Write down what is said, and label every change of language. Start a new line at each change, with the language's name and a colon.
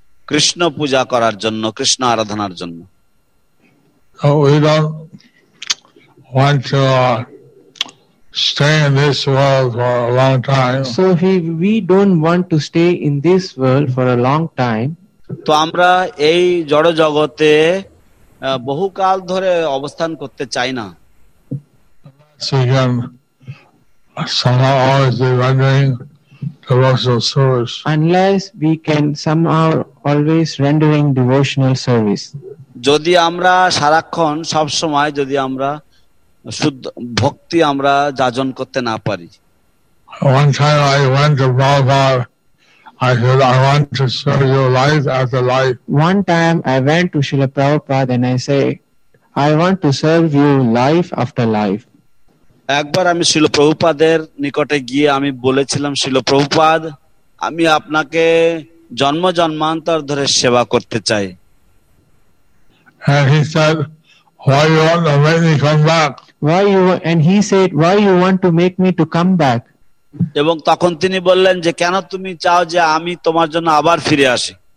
Bangla: কৃষ্ণ পূজা করার জন্য, কৃষ্ণ আরাধনার জন্য.
English: So we don't want to stay in this world for a long time. So we don't want to stay in this world for a long time.
Bangla: তো আমরা এই জড় জগতে বহুকাল ধরে অবস্থান করতে চাই না.
English: So we can somehow always be rendering devotional service. Unless we can somehow always rendering devotional service.
Bangla: যদি আমরা সারাক্ষণ সব সময় যদি আমরা শুদ্ধ ভক্তি আমরা যাজন করতে না পারি
English: One time I went to Prabhupada. I said, I want to serve your life as a life. One time I went to Srila Prabhupada and I say, I want to serve you life after life.
Bangla: একবার আমি শিল প্রভুপাদের নিকটে গিয়ে আমি বলেছিলাম, শিল প্রভুপাদ, আমি আপনাকে জন্ম জন্মান্তর ধরে সেবা করতে চাই।
English: And he said, why you want to make me come back? And he said, why you want to make me come back?
Bangla: এবং তখন তিনি বললেন যে কেন তুমি চাও যে আমি তোমার জন্য আবার ফিরে আসি?